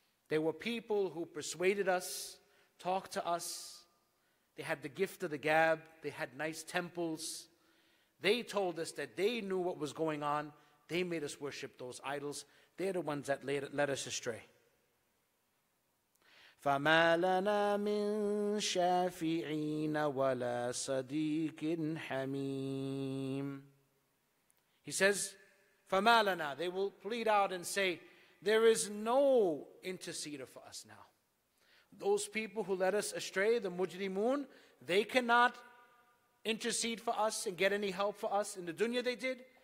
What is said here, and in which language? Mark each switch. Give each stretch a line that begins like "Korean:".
English: They were people who persuaded us, talked to us. They had the gift of the gab. They had nice temples. They told us that they knew what was going on. They made us worship those idols. They're the ones that led us astray.
Arabic: فما لنا من شافعين ولا صديق حميم.
English: He says,
Arabic: فما لنا.
English: They will plead out and say, there is no interceder for us now. Those people who led us astray, the mujrimun, they cannot intercede for us and get any help for us. In the dunya they did.